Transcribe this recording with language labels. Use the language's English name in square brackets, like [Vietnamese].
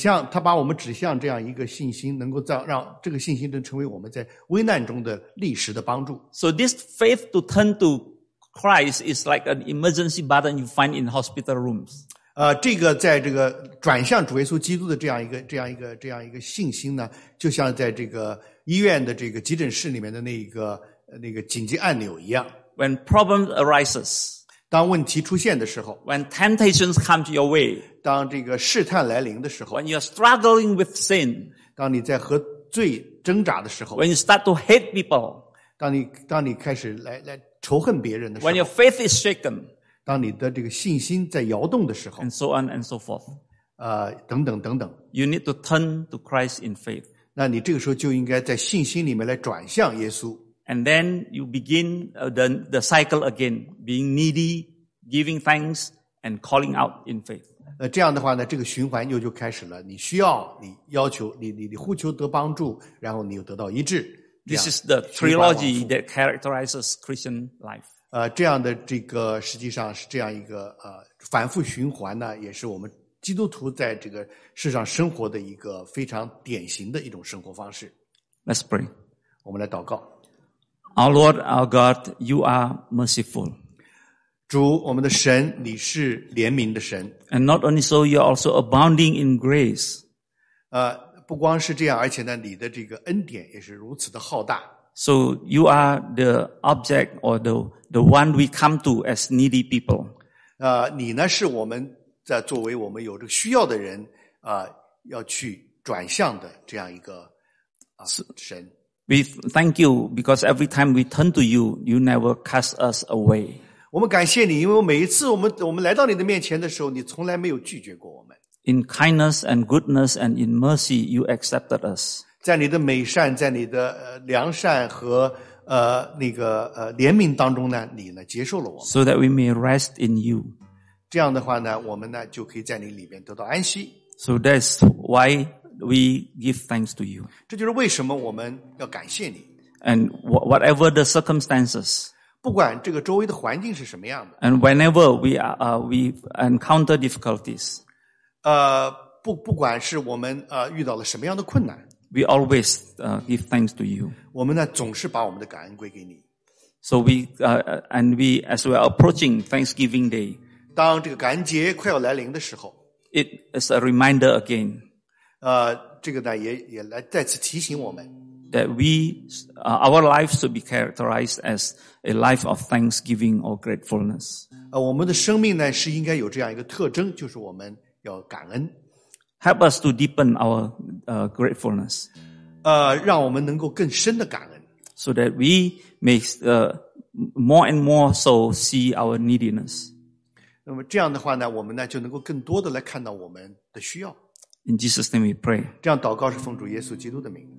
[Chinese] 他把我们指向这样一个信心，能够让这个信心能成为我们在危难中的历史的帮助。 [English] So this faith to turn to Christ is like an emergency button you find in hospital rooms. [Chinese] 这个在这个转向主耶稣基督的这样一个信心呢，就像在这个医院的这个急诊室里面的那个紧急按钮一样。 [English] When problem arises, [Chinese] 当问题出现的时候。 [English] When temptations come to your way, [Chinese] 当这个试探来临的时候。 [English] When you're struggling with sin, [Chinese] 当你在和罪挣扎的时候。 [English] When you start to hate people, [Chinese] 当你开始来仇恨别人的时候。 [English] When your faith is shaken, [Chinese] 当你的这个信心在摇动的时候。 [English] And so on and so forth. [Chinese] 等等等等。 [English] You need to turn to Christ in faith. [Chinese] 那你这个时候就应该在信心里面来转向耶稣。 [English] And then you begin the cycle again, being needy, giving thanks, and calling out in faith. [Chinese] 这样的话呢，这个循环就开始了。你需要，你要求，你呼求得帮助，然后你又得到医治。 [English] This is the trilogy that characterizes Christian life. [Chinese] 这样的这个实际上是这样一个反复循环呢，也是我们基督徒在这个世上生活的一个非常典型的一种生活方式。 [English] Let's pray. [Chinese] 我们来祷告。 [English] Our Lord, our God, you are merciful. [Chinese] 主，我们的神，你是怜悯的神。 [English] And not only so, you are also abounding in grace. [Chinese] 不光是这样，而且呢，你的这个恩典也是如此的浩大。 [English] So you are the object or the one we come to as needy people. [Chinese] 你呢是我们在作为我们有这个需要的人要去转向的这样一个神。 [English] We thank you because every time we turn to you, you never cast us away. [Chinese] 我们感谢你，因为每一次我们来到你的面前的时候，你从来没有拒绝过我们。 [English] In kindness and goodness and in mercy, you accepted us. [Chinese] 在你的美善，在你的良善和怜悯当中呢，你呢接受了我们。 [English] So that we may rest in you. [Chinese] 这样的话呢，我们呢就可以在你里面得到安息。 [English] So that's why. We give thanks to you. [Chinese] 这就是为什么我们要感谢你。 [English] And whatever the circumstances, [Chinese] 不管这个周围的环境是什么样的。 [English] And whenever we encounter difficulties, [Chinese] 不管是我们遇到了什么样的困难。 [English] We always give thanks to you. [Chinese] 我们呢总是把我们的感恩归给你。 [English] So as we are approaching Thanksgiving Day, [Chinese] 当这个感恩节快要来临的时候 [English] ，It is a reminder again. [Chinese] 这个呢也来再次提醒我们 [English] that we our life should be characterized as a life of thanksgiving or gratefulness. [Chinese] 我们的生命呢是应该有这样一个特征，就是我们要感恩。 [English] Help us to deepen our gratefulness. [Chinese] 让我们能够更深的感恩。 [English] So that we may more and more so see our neediness. [Chinese] 那么这样的话呢，我们呢就能够更多的来看到我们的需要。 [English] In Jesus' name we pray. [Chinese] 这样祷告是奉主耶稣基督的名。